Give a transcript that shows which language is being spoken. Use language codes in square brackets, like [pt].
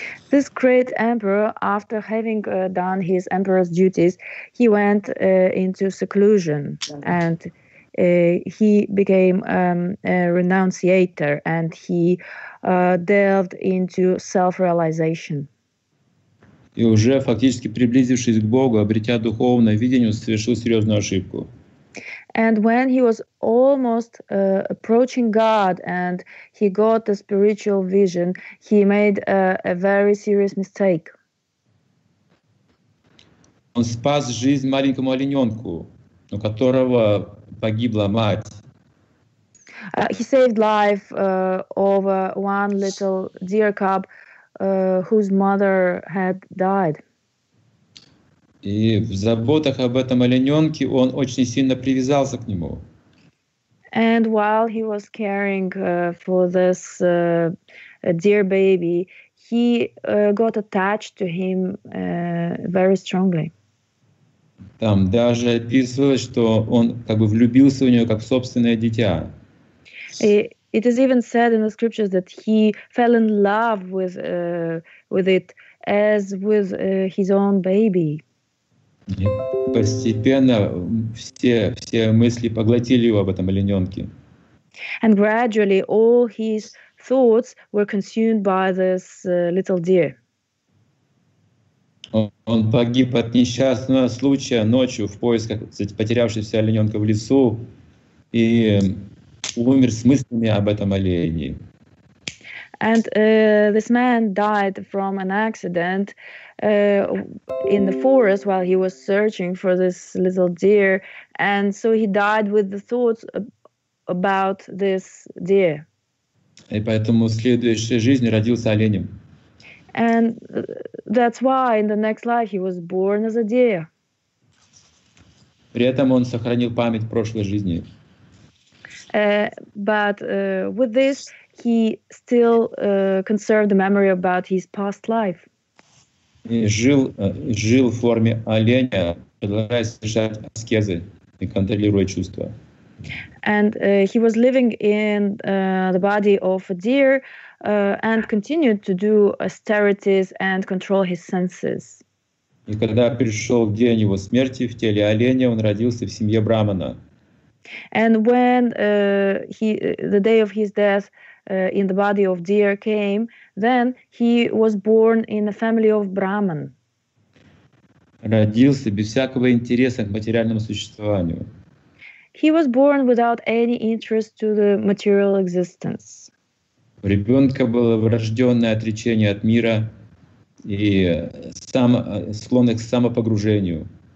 [en] This great emperor, after having done his emperor's duties, he went into seclusion and he became a renunciator and he delved into self-realization. [ru] И уже фактически приблизившись к Богу, обретя духовное видение, совершил серьезную ошибку. [en] And when he was almost approaching God and he got the spiritual vision, he made a very serious mistake. [ru] Он спас жизнь маленькому олененку, у которого погибла мать. [en] He saved life of one little deer cub whose mother had died. [ru] И в заботах об этом олененке он очень сильно привязался к нему. [en] And while he was caring for this deer baby, he got attached to him very strongly. [ru] Там даже описывалось, что он как бы влюбился в нее как в собственное дитя. [en] It is even said in the scriptures that he fell in love with with it as with his own baby. [ru] И постепенно все мысли поглотили его об этом олененке. [en] And gradually all his thoughts were consumed by this little deer. [ru] Он погиб от несчастного случая ночью в поисках потерявшегося олененка в лесу и умер с мыслями об этом олене. [en] And this man died from an accident in the forest while he was searching for this little deer, and so he died with the thoughts about this deer. [ru] И поэтому в следующей жизни родился оленем. [en] And that's why in the next life he was born as a deer. [ru] При этом он сохранил память прошлой жизни. [en] With this he still conserved the memory about his past life. [ru] И жил в форме оленя, продолжая совершать аскезы и контролируя чувства. [en] And he was living in the body of a deer and continued to do austerities and control his senses. [ru] И когда пришел день его смерти в теле оленя, он родился в семье брахмана. [en] And when the day of his death in the body of deer came, then he was born in a family of brahman. [ru] Родился без всякого интереса к материальному существованию. [en] He was born without any interest to the material existence. [ru] У ребенка было врожденное отречение от мира и склонность к самопогружению.